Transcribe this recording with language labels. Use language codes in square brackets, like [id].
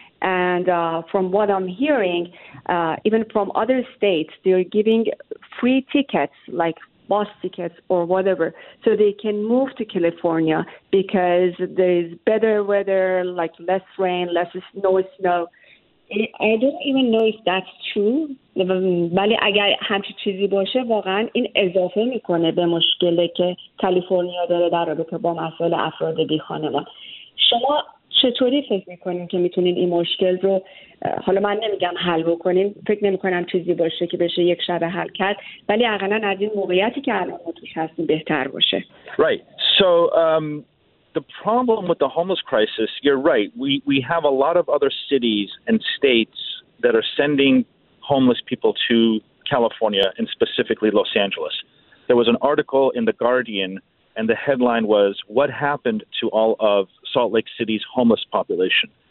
[en] And from what I'm hearing, even from other states, they're giving free tickets, like bus tickets or whatever, so they can move to California because there's better weather, like less rain, less snow. I don't even know if that's true. [fa] ولی اگر همچی چیزی باشه واقعا این اضافه میکنه به مشکلی که کالیفرنیا داره در رابطه با مسائل افراد بی خانمان. شما چطوری فکر میکنین که میتونین این مشکل رو، حالا من نمیگم حل بکنین، فکر نمیکنم چیزی باشه که بشه یک شبه حل کرد، ولی حداقل از این موقعیتی که الان توش هستیم بهتر باشه. [en] Right. So the problem with the homeless crisis, you're right. We have a lot of other cities and states that are sending homeless people to California and specifically Los Angeles. There was an article in The Guardian and the headline was, "What happened to all of Salt Lake City's homeless population?"